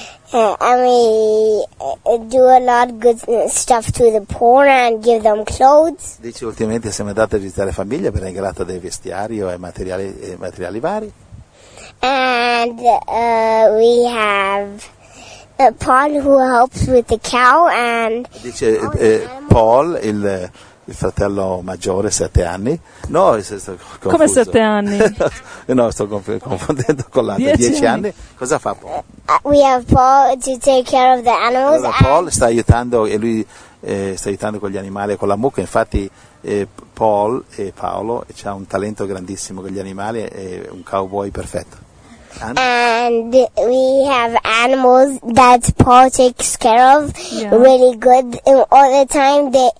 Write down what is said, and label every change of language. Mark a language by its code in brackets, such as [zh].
[en] And we do a lot of good stuff to the poor and give them clothes. [it] Dice ultimamente siamo andati a visitare famiglie per regalare dei vestiari o materiali vari. [en] And we have Paul who helps with the cow and. [it] Dice Paul il fratello maggiore 7 anni. No, sto confuso. Come 7 anni? No, sto confondendo con l'altro. 10 anni. Cosa fa Paul? [en] We have Paul to take care of the animals. [it] Allora, Paul sta aiutando e lui sta aiutando con gli animali e con la mucca. Infatti Paul e Paolo c'ha un talento grandissimo con gli animali, è un cowboy perfetto. [en] And we have animals that Paul takes care of, yeah. Really good all the time.